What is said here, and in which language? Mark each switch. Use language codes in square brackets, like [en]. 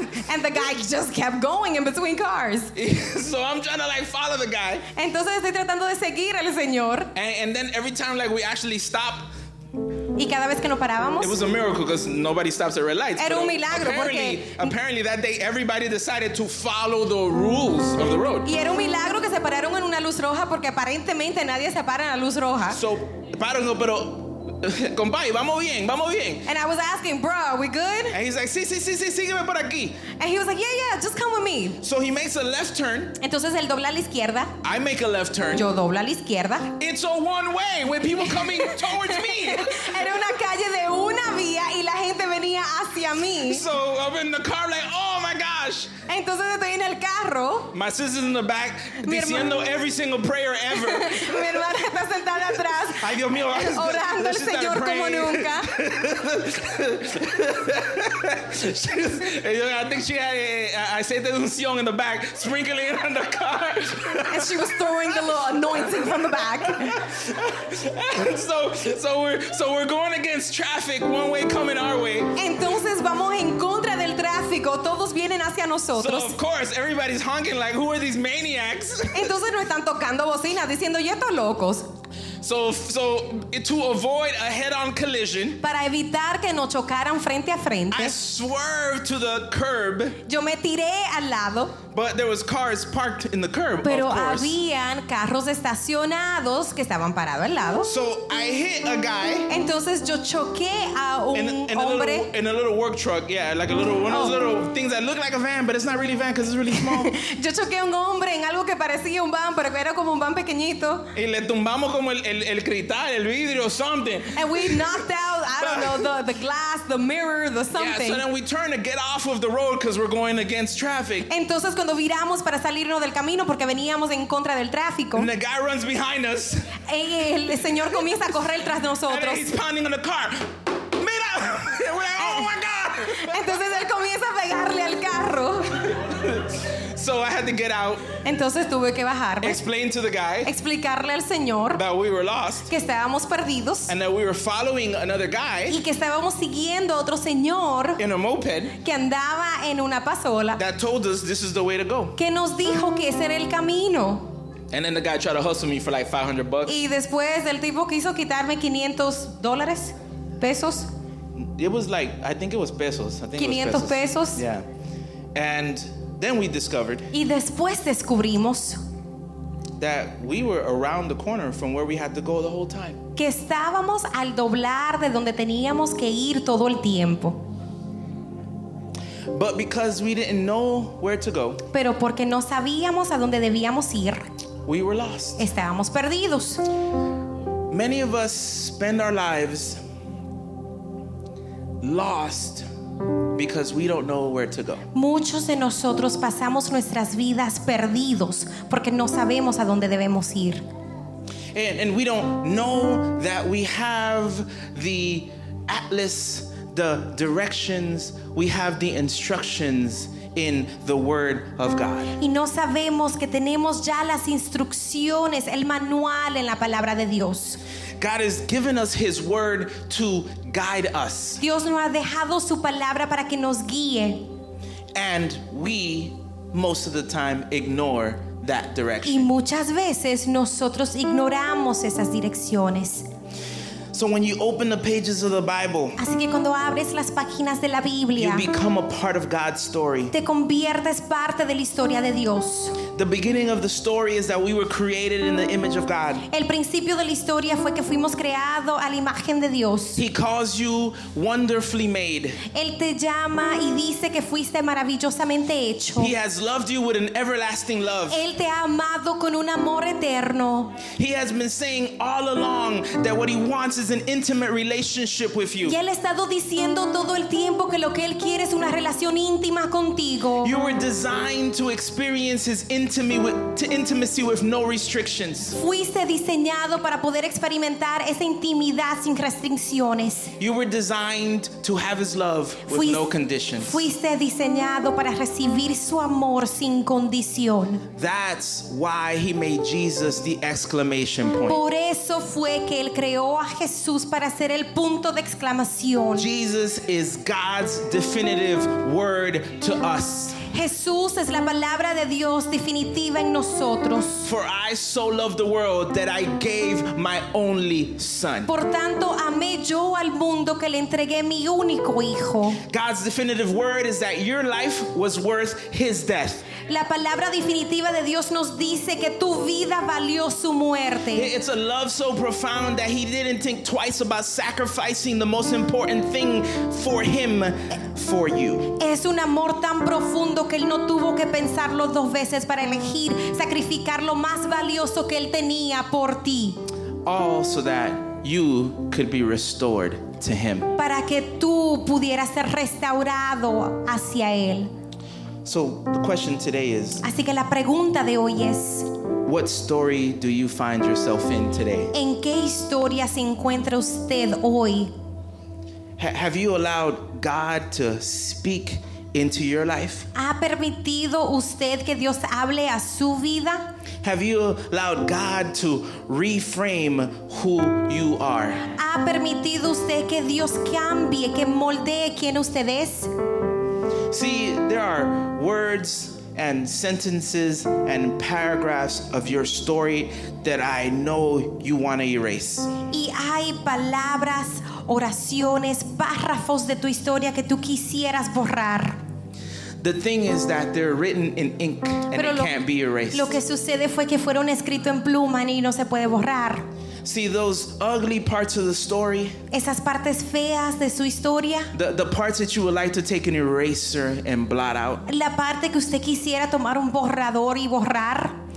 [en] And the guy just kept going in between cars. So I'm trying to like follow the guy. [es] Entonces estoy tratando de seguir al señor. [en] And then every time like we actually stop. [es] Y cada vez que nos parábamos, [en] it was a miracle because nobody stops at red lights. [es] Era un milagro [en] apparently that day everybody decided to follow the rules of the road. [es] Y era un milagro que se pararon en una luz roja porque aparentemente nadie se para en la luz roja. So, pero compadre, vamos bien, vamos bien. [en] And I was asking, bro, are we good? And he's like, [es] sí, sí, sí, sí, sígueme por aquí. [en] And he was like, yeah, yeah, just come with me. So he makes a left turn. [es] Entonces él dobla a la izquierda. [en] I make a left turn. [es] Yo doblo a la izquierda. [en] It's a one way with people coming towards me. [es] Era una calle de una vía y la gente venía hacia mí. [en] So I'm in the car like, oh my gosh. [es] Entonces estoy en el carro. [en] My sister's in the back [es] diciendo [en] every single prayer ever. [es] Mi hermana está sentada atrás. Ay, Dios mío. Orando al Señor como nunca. [en] I think she had [es] aceite de unción [en] in the back, sprinkling it on the car. And she was throwing the little anointing from the back. So we're going against traffic, one way coming our way. [es] Entonces vamos en contra del tráfico. Todos vienen hacia nosotros. [en] So of course everybody's honking like, who are these maniacs? [es] Entonces nos están tocando bocina diciendo, ¿y estos locos? [en] So to avoid a head-on collision, [es] para evitar que nos chocaran frente a frente, [en] I swerved to the curb. [es] Yo me tiré al lado. [en] But there was cars parked in the curb. [es] Pero [en] of course, [es] habían carros estacionados que estaban parados al lado. [en] So I hit a guy. [es] Entonces yo choqué a un [en] in [es] hombre. [en] In a little work truck, yeah, like a little one of those little things that look like a van, but it's not really a van because it's really small. [es] Yo choqué a un hombre en algo que parecía un van, pero era como un van pequeñito. Y le tumbamos como el cristal, el vidrio, [en] something. And we knocked out, I don't know, the glass, the mirror, the something. Yeah, so then we turn to get off of the road because we're going against traffic. [es] Entonces cuando viramos para salirnos del camino porque veníamos en contra del tráfico, [en] and the guy runs behind us. [es] El señor comienza a correr tras nosotros. [en] And he's pounding on the car. [es] Mira, [en] we're like, oh my God. [es] Entonces él comienza a pegarle al carro. [en] So I had to get out. [es] Entonces tuve que bajarme. [en] Explain to the guy. [es] Explicarle al señor. [en] That we were lost. [es] Que estábamos perdidos. [en] And that we were following another guy. [es] Y que estábamos siguiendo a otro señor. [en] In a moped. [es] Que andaba en una pasola. [en] That told us this is the way to go. [es] Que nos dijo que ese era el camino. [en] And then the guy tried to hustle me for like $500. [es] Y después el tipo quiso quitarme $500. Pesos. [en] It was like, I think it was pesos. I think 500 it was pesos. [es] Pesos. [en] Yeah. And then we discovered, [es] y después descubrimos, [en] that we were around the corner from where we had to go the whole time. [es] Que estábamos al doblar de donde teníamos que ir todo el tiempo. [en] But because we didn't know where to go, [es] pero porque no sabíamos a dónde debíamos ir, [en] we were lost. [es] Estábamos perdidos. [en] Many of us spend our lives lost because we don't know where to go. [es] Muchos de nosotros pasamos nuestras vidas perdidos porque no sabemos a dónde debemos ir. [en] And we don't know that we have the atlas, the directions, we have the instructions in the word of God. [es] Y no sabemos que tenemos ya las instrucciones, el manual en la palabra de Dios. [en] God has given us his word to guide us. [es] Dios nos ha dejado su palabra para que nos guíe. [en] And we most of the time ignore that direction. [es] Y muchas veces nosotros ignoramos esas direcciones. [en] So when you open the pages of the Bible, [es] así que cuando abres las páginas de la Biblia, [en] you become a part of God's story. [es] Te conviertes parte de la historia de Dios. [en] The beginning of the story is that we were created in the image of God. [es] El principio de la historia fue que fuimos creado a la imagen de Dios. [en] He calls you wonderfully made. [es] Él te llama y dice que fuiste maravillosamente hecho. [en] He has loved you with an everlasting love. [es] Él te ha amado con un amor eterno. [en] He has been saying all along that what he wants is an intimate relationship with you. [es] Y él ha estado diciendo todo el tiempo que lo que él quiere es una relación íntima contigo. [en] You were designed to experience his intimacy with no restrictions. [es] Fuiste diseñado para poder experimentar esa intimidad sin restricciones. [en] You were designed to have his love with no conditions. [es] Fuiste diseñado para recibir su amor sin condición. [en] That's why he made Jesus the exclamation point. [es] Por eso fue que él creó a Jesús para ser el punto de exclamación. [en] Jesus is God's definitive word to us. [es] Jesús es la palabra de Dios definitiva en nosotros. [en] For I so loved the world that I gave my only son. [es] Por tanto, amé yo al mundo que le entregué mi único hijo. [en] God's definitive word is that your life was worth his death. [es] La palabra definitiva de Dios nos dice que tu vida valió su muerte. [en] It's a love so profound that he didn't think twice about sacrificing the most important thing for him for you. [es] Es un amor tan profundo que él no tuvo que pensarlo dos veces para elegir sacrificar lo más valioso que él tenía por ti. [en] All so that you could be restored to him. [es] Para que tú pudieras ser restaurado hacia él. [en] So the question today is, [es] así que la pregunta de hoy es, [en] what story do you find yourself in today? [es] ¿En qué historia se encuentra usted hoy? [en] Have you allowed God to speak into your life? [es] ¿Ha permitido usted que Dios hable a su vida? [en] Have you allowed God to reframe who you are? [es] ¿Ha permitido usted que Dios cambie, que moldee quién usted es? [en] See, there are words and sentences and paragraphs of your story that I know you want to erase. [es] Y hay palabras, oraciones, párrafos de tu historia que tú quisieras borrar. [en] The thing is that they're written in ink and [es] Pero [en] it [es] lo, [en] can't be erased. [es] Lo que sucede fue que fueron escritos en pluma y no se puede borrar. [en] See those ugly parts of the story? [es] Esas partes feas de su historia? [en] The parts that you would like to take an eraser and blot out? [es] La parte que usted quisiera tomar un borrador y borrar?